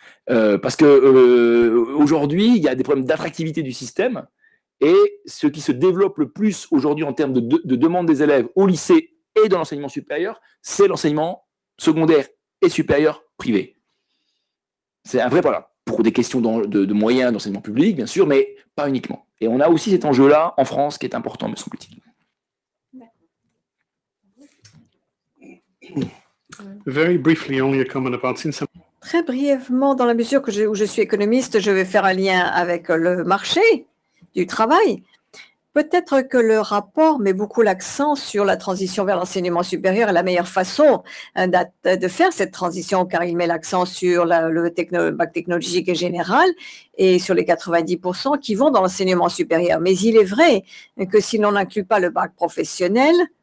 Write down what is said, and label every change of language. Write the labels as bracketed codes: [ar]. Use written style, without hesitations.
[fr] Parce que aujourd'hui, il y a des problèmes d'attractivité du système, et ce qui se développe le plus aujourd'hui en termes de demande des élèves au lycée et dans l'enseignement supérieur, c'est l'enseignement secondaire et supérieur privé. C'est un vrai problème, pour des questions de moyens d'enseignement public, bien sûr, mais pas uniquement. Et on a aussi cet enjeu-là en France qui est important, me semble-t-il. [en] Very briefly, only a comment about since [fr] très brièvement, dans la mesure que je suis économiste, je vais faire un lien avec le marché du travail. Peut-être que le rapport met beaucoup l'accent sur la transition vers l'enseignement supérieur et la meilleure façon de faire cette transition, car il met l'accent sur le bac technologique et général et sur les 90% qui vont dans l'enseignement supérieur. Mais il est vrai que si l'on n'inclut pas le bac professionnel,